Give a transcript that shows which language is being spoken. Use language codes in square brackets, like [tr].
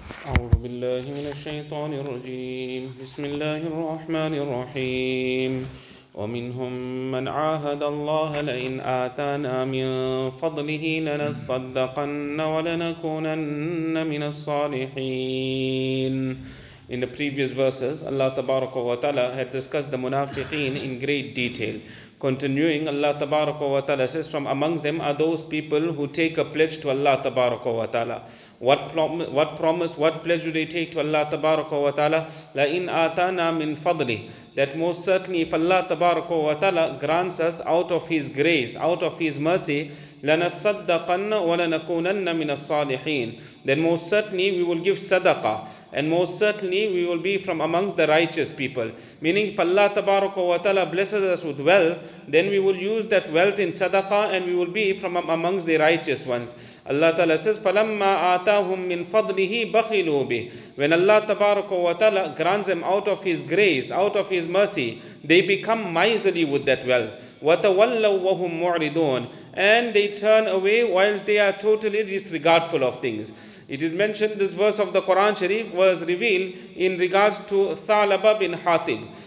[ar] أعوذ بالله من الشيطان الرجيم بسم الله الرحمن الرحيم ومنهم من عاهد الله لئن آتانا من فضله لنصدقن ولنكونن من الصالحين. [en] In the previous verses, Allah Tabaraka wa Ta'ala had discussed the munafiqeen in great detail. Continuing, Allah Tabaraka wa Ta'ala says, from amongst them are those people who take a pledge to Allah Tabaraka wa Ta'ala. What promise, what pledge do they take to Allah Tabaraka wa Ta'ala? [ar] La in atana min fadli. [en] That most certainly if Allah Tabaraka wa Ta'ala grants us out of His grace, out of His mercy, [ar] lanasaddaqanna wa lanakunanna min as-salihin. [en] Then most certainly we will give sadaqah. And most certainly we will be from amongst the righteous people. Meaning if Allah Tabaraka wa Ta'ala blesses us with wealth, then we will use that wealth in sadaqah and we will be from amongst the righteous ones. Allah Ta'ala says, [ar] فَلَمَّا آتَاهُم مِّن فَضْلِهِ بَخِلُوا بِهِ. [en] When Allah Tabaraka wa Ta'ala grants them out of His grace, out of His mercy, they become miserly with that wealth. [ar] وَتَوَلَّوا وَهُم مُعْرِضُونَ. [en] And they turn away whilst they are totally disregardful of things. It is mentioned this verse of the Quran Sharif was revealed in regards to Thalaba bin Hatib.